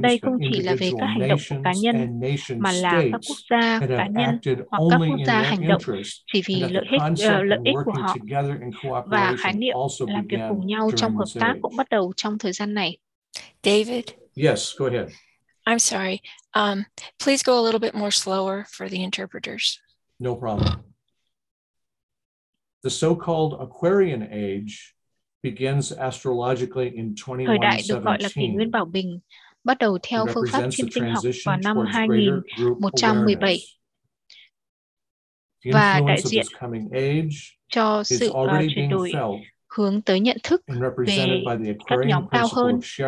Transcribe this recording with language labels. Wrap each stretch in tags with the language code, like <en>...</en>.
<vi>Đây không chỉ là về các hành động của cá nhân, mà là các quốc gia cá nhân hoặc các quốc gia hành động chỉ vì lợi ích của họ và khái niệm làm việc cùng nhau trong hợp tác cũng bắt đầu trong thời gian này.</vi> <en>David? Yes, go ahead. I'm sorry. Please go a little bit more slower for the interpreters. No problem. The so-called Aquarian Age begins astrologically in 2117.</en> <vi>Bắt đầu theo phương pháp thiên tinh học vào năm 2117 và đại diện cho sự chuyển đổi hướng tới nhận thức về các nhóm cao hơn.</vi>